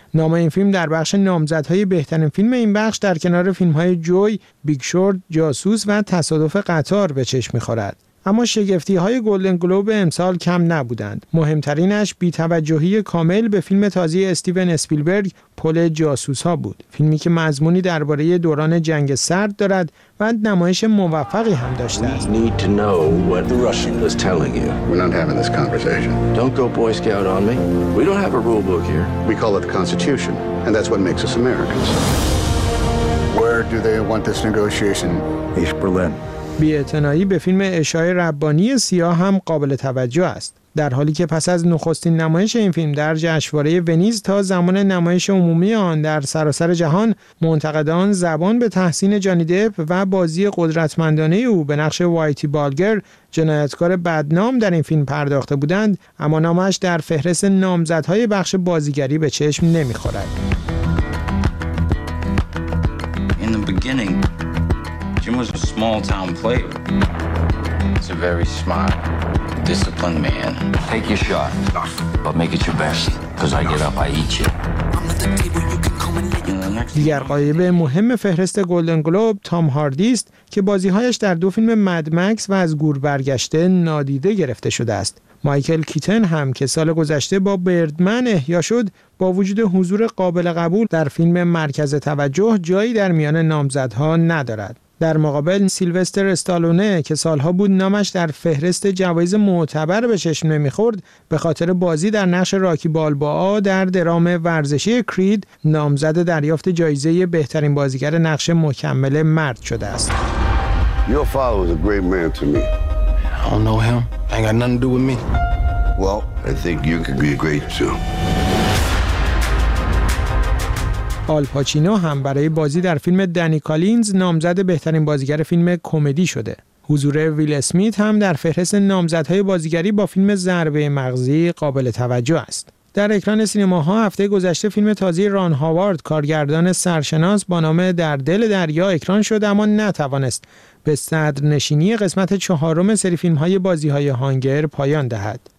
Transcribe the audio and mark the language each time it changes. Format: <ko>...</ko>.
<fa>نام این فیلم در بخش نامزدهای بهترین فیلم این بخش در کنار فیلم‌های جوی، بیگ شورت، جاسوس و تصادف قطار به چشم می‌خورد. اما شگفتی‌های گلدن گلوب امسال کم نبودند. مهمترینش بی‌توجهی کامل به فیلم تازه استیون اسپیلبرگ پل جاسوس‌ها بود. فیلمی که مضمونی درباره دوران جنگ سرد دارد و نمایش موفقی هم داشته است.</fa> <en>We need to know what the Russian was telling you. We're not having this conversation. Don't go boy scout on me. We don't have a rule book here. We call it the Constitution, and that's what makes us Americans. Where do they want this negotiation? East Berlin.</en> <fa>بی‌اعتنایی به فیلم عشای ربانی سیاه هم قابل توجه است. در حالی که پس از نخستین نمایش این فیلم در جشنواره ونیز تا زمان نمایش عمومی آن در سراسر جهان، منتقدان زبان به تحسین جانی دپ و بازی قدرتمندانه او به نقش وایتی بالگر، جنایتکار بدنام در این فیلم پرداخته بودند، اما نامش در فهرست نامزدهای بخش بازیگری به چشم نمی‌خورد.</fa> <en>In the beginning, Jim was a small town player. He's a very smart, disciplined man. Take your shot, but make it your best, because I get up, I eat you.</en> <fa>دیگر قایب مهم فهرست گلدن گلوب تام هاردی است که بازیهایش در دو فیلم مد مکس و از گور برگشته نادیده گرفته شده است. مایکل کیتن هم که سال گذشته با بردمن احیا شد، با وجود حضور قابل قبول در فیلم مرکز توجه جایی در میان نامزدها ندارد. در مقابل سیلوستر استالونه که سالها بود نامش در فهرست جوایز معتبر به چشم نمی‌خورد، به خاطر بازی در نقش راکی بالبا در درام ورزشی کرید نامزد دریافت جایزه بهترین بازیگر نقش مکمل مرد شده است.</fa> <en>Your father was a great man to me. I don't know him. I ain't got nothing to do with me. Well, I think you could be great too.</en> <fa>آل پاچینو هم برای بازی در فیلم دنی کالینز نامزد بهترین بازیگر فیلم کمدی شده. حضور ویل اسمیت هم در فهرست نامزدهای بازیگری با فیلم ضربه مغزی قابل توجه است. در اکران سینماها هفته گذشته فیلم تازه ران هاوارد کارگردان سرشناس با نام در دل دریا اکران شد، اما نتوانست به صدر نشینی قسمت چهارم سری فیلم‌های بازی‌های هانگر پایان دهد.</fa>